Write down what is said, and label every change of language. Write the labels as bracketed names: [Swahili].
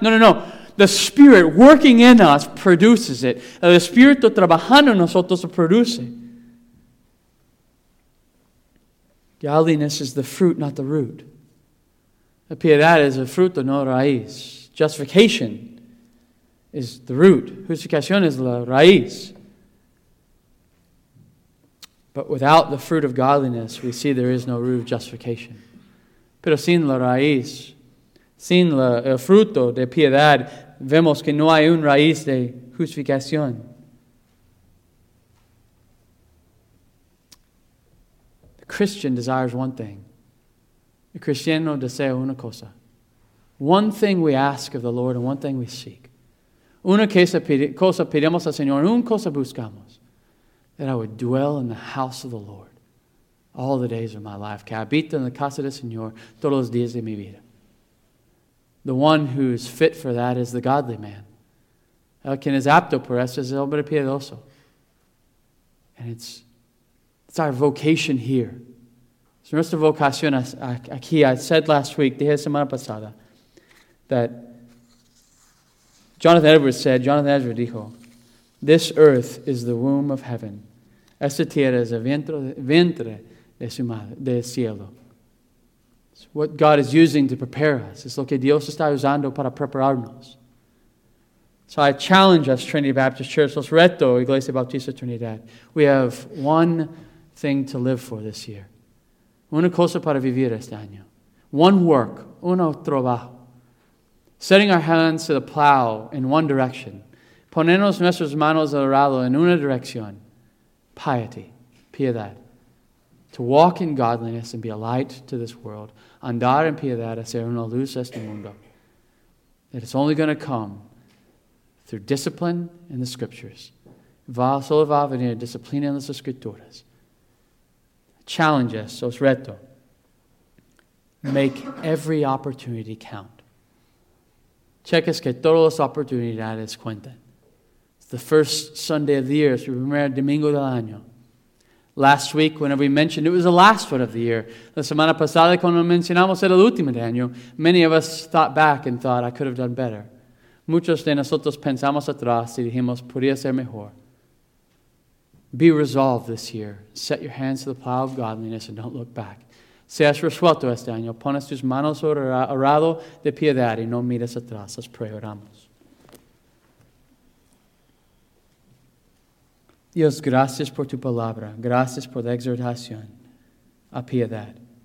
[English] No, no, no. The Spirit working in us produces it. [Spanish] El Espíritu trabajando en nosotros produce. [English] Godliness is the fruit, not the root. La piedad is a fruto, [Spanish] no raíz. [English] Justification is the root. [Spanish] Justificación es la raíz. [English] But without the fruit of godliness, we see there is no root of justification. [Spanish] Pero sin la raíz, sin la, el fruto de piedad, vemos que no hay un raíz de justificación. [English] The Christian desires one thing. [Spanish] El cristiano desea una cosa. [English] One thing we ask of the Lord and one thing we seek. [Spanish] Una cosa pedimos al Señor, una cosa buscamos. [English] That I would dwell in the house of the Lord all the days of my life. [Spanish] Que habita en la casa del Señor todos los días de mi vida. [English] The one who is fit for that is the godly man. [Spanish] El quien es apto por eso es el hombre piedoso. [English] And it's our vocation here. [Spanish] It's nuestra vocación aquí. [English] I said last week, [Spanish] dije semana pasada, [English] that Jonathan Edwards dijo, this earth is the womb of heaven. [Spanish] Esta tierra es el vientre de cielo. [English] It's what God is using to prepare us. [Spanish] Es lo que Dios está usando para prepararnos. [English] So I challenge us, Trinity Baptist Church. [Spanish] Los reto, Iglesia Bautista Trinidad. [English] We have one thing to live for this year. [Spanish] Una cosa para vivir este año. [English] One work. [Spanish] Uno trabajo. [English] Setting our hands to the plow in one direction. [Spanish] Ponernos nuestras manos al arado en una dirección. [English] Piety. [Spanish] Piedad. [English] To walk in godliness and be a light to this world. [Spanish] Andar en piedad, hacer una luz a este mundo. [English] That it's only going to come through discipline in the Scriptures. [Spanish] Va solo va a venir disciplina en las Escrituras. [English] Challenge us, [Spanish] os reto. [English] Make every opportunity count. [Spanish] Cheques que todas las oportunidades cuentan. [English] It's the first Sunday of the year. It's the [Spanish] primer domingo del año. [English] Last week, whenever we mentioned it was the last one of the year. [Spanish] La semana pasada, cuando mencionamos era el último de año, [English] many of us thought back and thought, I could have done better. [Spanish] Muchos de nosotros pensamos atrás y dijimos, podría ser mejor. [English] Be resolved this year. Set your hands to the plow of godliness and don't look back. [Spanish] Seas resuelto este año. Pones tus manos sobre el arado de piedad y no mires atrás. [English] Let's pray, [Spanish] oramos. Dios, gracias por tu palabra. Gracias por la exhortación a piedad.